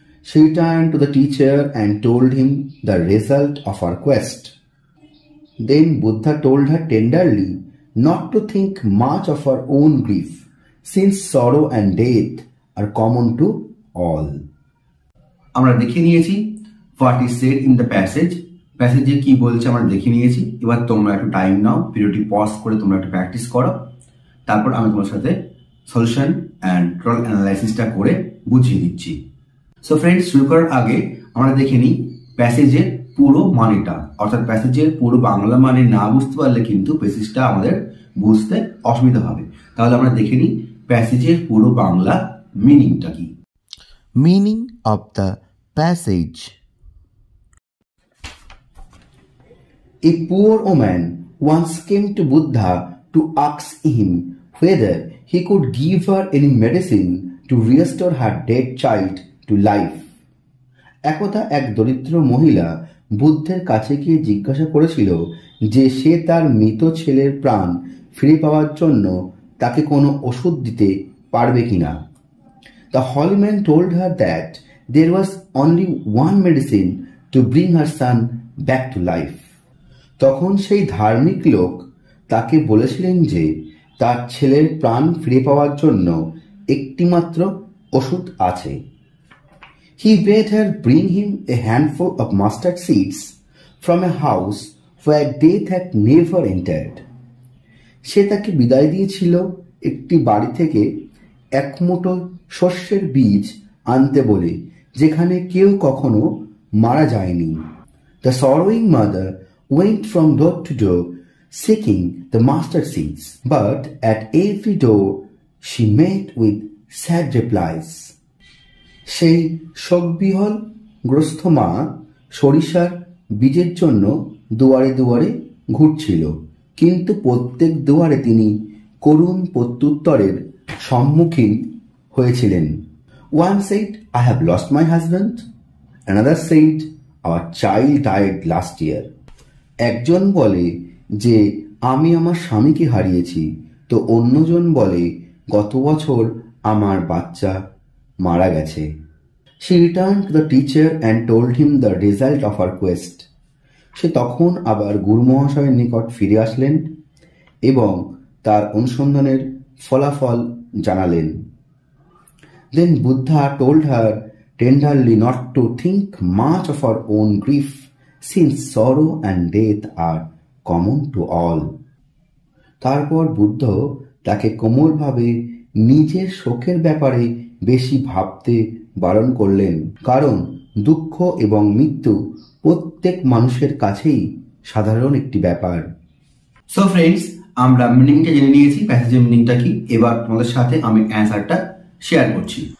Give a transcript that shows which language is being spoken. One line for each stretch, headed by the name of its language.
English: She turned to the teacher and told him the result of her quest. Then Buddha told her tenderly not to think much of her own grief, since sorrow and death are common to all.
Bangla: আমরা দেখে নিয়েছি
English: what is said in the passage.
Bangla: Passage কি বলছে আমরা দেখে নিয়েছি। এবার তোমরা একটু time নাও, ভিডিওটি pause করে তোমরা একটু practice করো। তারপর আমি তোমার সাথে solution and troll analysis টা করে বুঝিয়ে দিচ্ছি। So friends, শুরু করার আগে আমরা দেখে নিই passage এর পুরো মানেটা। অর্থাৎ passage এর পুরো বাংলা মানে না বুঝতে পারলে কিন্তু passage টা আমাদের বুঝতে অসুবিধা হবে। তাহলে আমরা দেখে নিই passage এর পুরো বাংলা meaning টা কি।
English: Meaning of the passage. A poor woman once came to Buddha to ask him whether he could give her any medicine to restore her dead child to life.
Bangla: একথা এক দরিদ্র মহিলা বুদ্ধের কাছে গিয়ে জিজ্ঞাসা করেছিল যে সে তার মৃত ছেলের প্রাণ ফিরে পাওয়ার জন্য তাকে কোনো ওষুধ দিতে পারবে কিনা।
English: The holy man told her that there was only one medicine to bring her son back to life.
Bangla: তখন সেই ধার্মিক লোক তাকে বলেছিলেন যে তার ছেলের প্রাণ ফিরে পাওয়ার জন্য একটিমাত্র ওষুধ আছে।
English: He bade her bring him a handful of mustard seeds from a house where death had never entered.
Bangla: সে তাকে বিদায় দিয়েছিল একটি বাড়ি থেকে এক মুঠো শস্যের বীজ আনতে বলে যেখানে কেউ কখনো মারা যায়নি।
English: The sorrowing mother went from door to door seeking the mustard seeds, but at every door she met with sad replies.
Bangla: সেই শোকবিহ্বল গ্রস্ত মা সরিষার বীজের জন্য দুয়ারে দুয়ারে ঘুরছিল, কিন্তু প্রত্যেক দুয়ারে তিনি করুণ প্রত্যুত্তরের সম্মুখীন হয়েছিলেন।
English: One said, "I have lost my husband." Another said, "Our child died last year."
Bangla: একজন বলে যে আমি আমার স্বামীকে হারিয়েছি, তো অন্যজন বলে গত বছর আমার বাচ্চা মারা গেছে।
English: She returned to the teacher and told him the result of her quest.
Bangla: সে তখন আবার গুরুমহাশয়ের নিকট ফিরে আসলেন এবং তার অনুসন্ধানের ফলাফল জানালেন।
English: Then Buddha told her tenderly not to think much of her own grief, since sorrow and death are common to all.
Bangla: তারপর বুদ্ধ তাকে কোমলভাবে নিজের শোকের ব্যাপারে বেশি ভাবতে বারণ করলেন, কারণ দুঃখ এবং মৃত্যু প্রত্যেক মানুষের কাছেই সাধারণ একটি ব্যাপার। So friends, আমরা মিনিংটা জেনে নিয়েছি, প্যাসেজের মিনিংটা কি। এবার তোমাদের সাথে আমি অ্যান্সারটা শেয়ার করছি।